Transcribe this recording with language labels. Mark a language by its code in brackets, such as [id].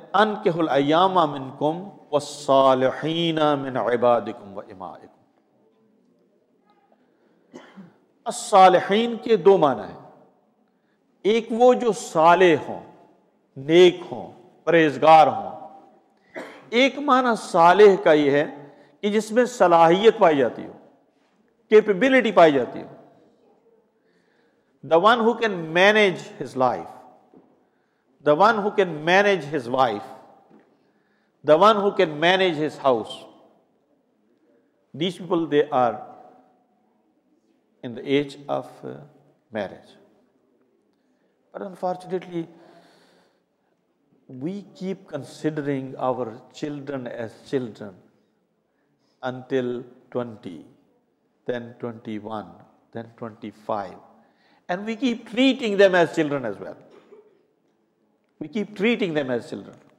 [ar] أنكح الأيام منكم والصالحين من عبادكم وإمائكم. [ur] الصالحین کے دو معنی ہیں، ایک وہ جو صالح ہوں، نیک ہوں، پرہیزگار ہوں، ایک معنی صالح کا یہ ہے کہ جس میں صلاحیت پائی جاتی ہو، کیپیبلٹی پائی جاتی ہو، [en] The one who can manage his life, the one who can manage his wife, the one who can manage his house, these people they are in the age of marriage. But unfortunately, we keep considering our children as children until 20, then 21, then 25. And we keep treating them as children as well. We keep treating them as children.